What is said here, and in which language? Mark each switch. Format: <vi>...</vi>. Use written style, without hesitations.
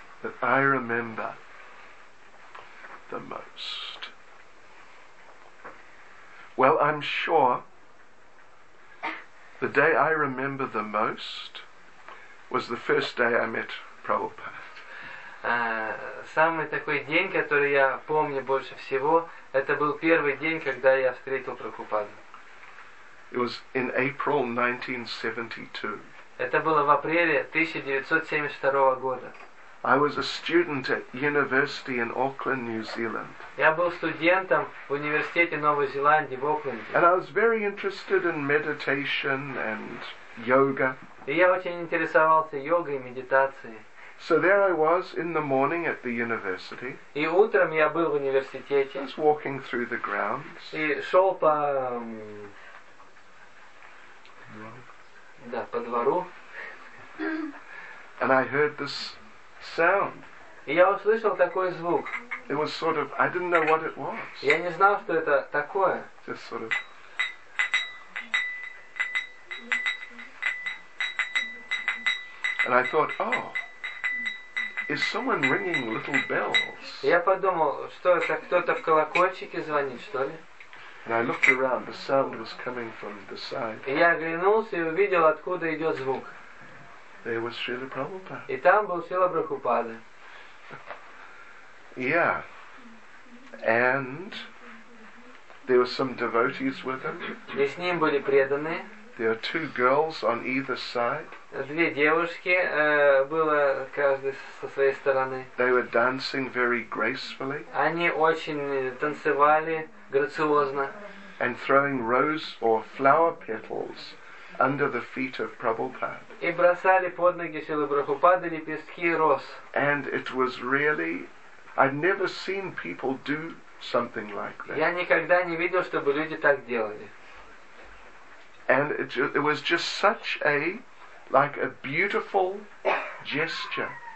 <en>That I remember the most. Well, I'm sure the day I remember the most was the first day I met Prabhupada.</en> <ru>Самый такой день, который я помню больше всего, это был первый день, когда я встретил Прабхупаду.</ru> <en>It was in April 1972.</en> <ru>Это было в апреле 1972 года.</ru> <en>I was a student at university in Auckland, New Zealand.</en> <ru>Я был студентом в университете Новой Зеландии в Окленде.</ru> <en>And I was very interested in meditation and yoga.</en> <ru>И я очень интересовался йогой и медитацией.</ru> <en>So there I was in the morning at the university.</en> <ru>И утром я был в университете.</ru> <en>Just walking through the grounds.</en> <ru>И шел по да, по двору.</ru> <en>And I heard this sound.</en> <ru>И я услышал такой звук.</ru> <en>It was sort of, I didn't know what it was.</en> <ru>Я не знал, что это такое.</ru> <en>Just sort of. And I thought, oh. Is someone ringing little bells?</en> <ru>Я подумал, что это кто-то в колокольчике звонит, что ли?</ru> <en>And I looked around. The sound was coming from the side.</en> <ru>И я оглянулся и увидел, откуда идет звук.</ru> <en>There was Srila Prabhupada.</en> <ru>И там был Srila Prabhupada.</ru> <en>Yeah. And there were some devotees with him.</en> <ru>И с ним были преданные.</ru> <en>There are two girls on either side.</en> <ru>Две девушки было каждый со своей стороны.</ru> <en>They were dancing very gracefully.</en> <ru>Они очень танцевали грациозно.</ru> <en>And throwing rose or flower petals under the feet of Prabhupada.</en> <ru>И бросали под ноги Шрилы Прабхупады лепестки роз.</ru> <en>And it was really, I've never seen people do something like that.</en> <ru>Я никогда не видел, чтобы люди так делали.</ru> <en>And it was just such a, like a beautiful gesture.</en>